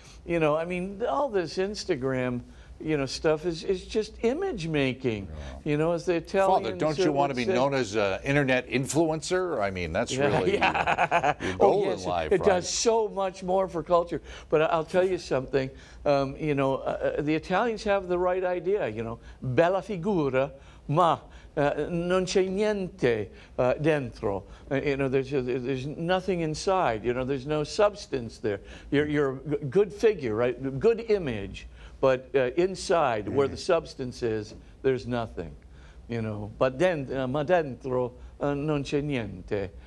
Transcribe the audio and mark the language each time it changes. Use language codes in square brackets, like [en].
[en] You know, I mean, all this Instagram, you know, stuff is just image making. Yeah. You know, as they tell you. Father, don't you want to be known as an internet influencer? I mean, that's really your goal in life. It does so much more for culture. But I'll tell you something. You know, the Italians have the right idea. You know, [it] bella figura, ma non c'è niente dentro. [en] You know, there's nothing inside. You know, there's no substance there. You're a good figure, right? Good image. But inside, where the substance is, there's nothing, you know. But then, [it] ma dentro non c'è niente.